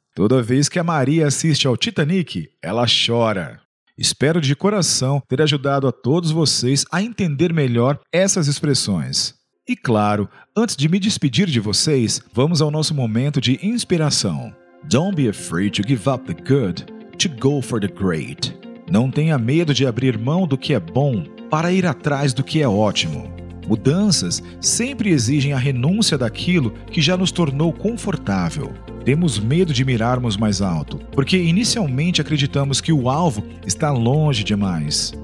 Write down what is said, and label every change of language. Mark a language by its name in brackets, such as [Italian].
[Portuguese] Toda vez que a Maria assiste ao Titanic, ela chora. Espero de coração ter ajudado a todos vocês a entender melhor essas expressões. E claro, antes de me despedir de vocês, vamos ao nosso momento de inspiração. [English] Don't be afraid to give up the good to go for the great. [Portuguese] Não tenha medo de abrir mão do que é bom para ir atrás do que é ótimo. Mudanças sempre exigem a renúncia daquilo que já nos tornou confortável. Temos medo de mirarmos mais alto, porque inicialmente acreditamos que o alvo está longe demais.